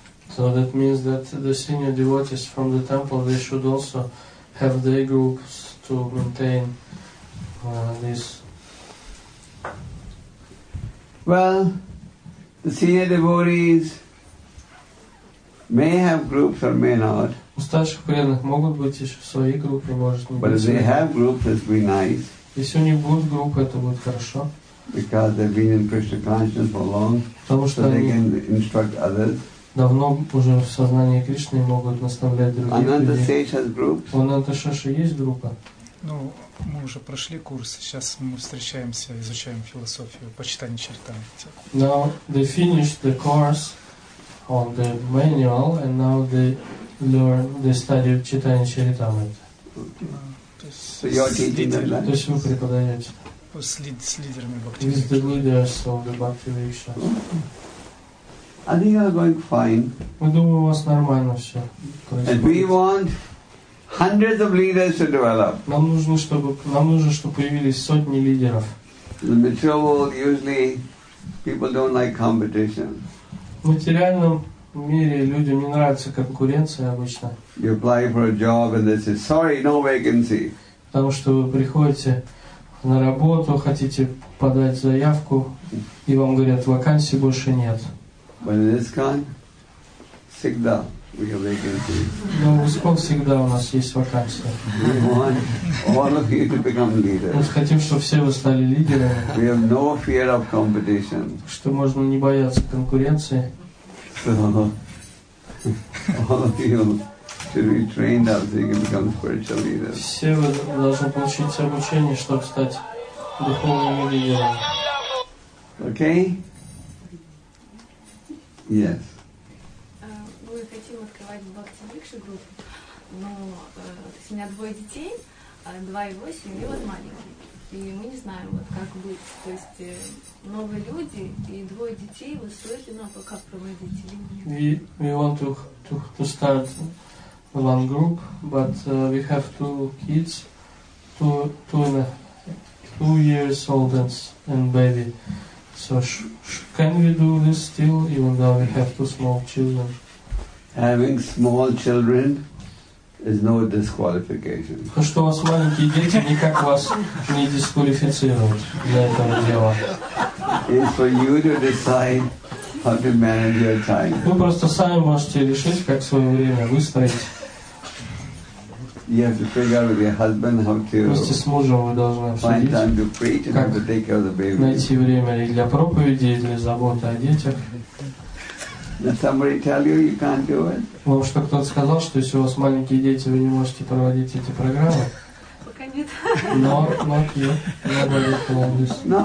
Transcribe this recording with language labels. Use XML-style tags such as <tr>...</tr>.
<en>So that means that the senior devotees from the temple, they should also have their groups to maintain this. Well, the senior devotees may have groups or may not.</en> <ru>У старших преданных могут быть еще свои группы, может не быть.</ru> <en>But if they have groups, it'd be nice.</en> <ru>Если у них будут группы, это будет хорошо.</ru> <en>Because they've been in Krishna consciousness for long,</en> <ru>потому что</ru> <en>so they can instruct others.</en> <ru>Давно уже в сознании Кришны могут наставлять других</ru> <en>Ananda Ананда Сейдж has groups.</en> <ru>У Ананда Шеши есть группа. Ну, мы уже прошли курс, сейчас мы встречаемся, изучаем философию Пачитани Чаритамриты.</ru> <en>Now they finished the course on the manual, and now they learn the study of Chaitanya Charitamrita. Okay. So you're teaching them that? With the leaders of the Bhakti Riksha. I think you're going fine.</en> <ru>Мы думаем, у вас нормально все.</ru> <en>And we want hundreds of leaders to develop.</en> <ru>Нам нужно, чтобы появились сотни лидеров.</ru> <en>In the material world, usually people don't like competition.</en> <ru>В материальном мире людям не нравится конкуренция обычно.</ru> <en>You apply for a job and they say, sorry, no vacancy.</en> <ru>Потому что вы приходите на работу, хотите подать заявку, и вам говорят, вакансии больше нет.</ru> <en>But in this kind,</en> <ru>всегда</ru> <en>we have vacancies.</en> <ru>Но в Искон всегда у нас есть вакансия.</ru> <en>We want all of you to become leaders.</en> <ru>Мы хотим, чтобы все вы стали лидерами.</ru> <en>We have no fear of competition.</en> <ru>Что можно не бояться конкуренции.</ru> <en>All of you should be trained up so you can become spiritual leaders.</en> <ru>Все вы должны получить обучение, чтобы стать духовными лидерами.</ru> <en>Okay? Yes.</en> <ru>Мы хотим открывать Бхакти Рикша группу, но у меня двое детей, 2 и 8, и вот маленький. И мы не знаем, вот как быть. То есть новые люди и двое детей, вы слышали, ну а пока проводить или нет?</ru> <en>We want to start one group, but we have 2 kids, two years old and baby. So can we do this still, even though we have 2 small children? Having small children is no disqualification.</en> <ru>Что у вас маленькие дети, никак вас не дисквалифицируют для этого дела.</ru> <en>It's for you to decide how to manage your time.</en> <ru>Вы просто сами можете решить, как свое время выстроить.</ru> <en>You have to figure out with your husband how to find time to preach and how to take care of the baby.</en> <ru>Найти время и для проповеди, и для заботы о детях.</ru> <en>Did somebody tell you you can't do it?</en> <ru>Вам что, кто-то сказал, что если у вас маленькие дети, вы не можете проводить эти программы? Пока нет.</ru> <en>Not yet. No.</en> <ru>Ну просто, вот допустим, на</ru>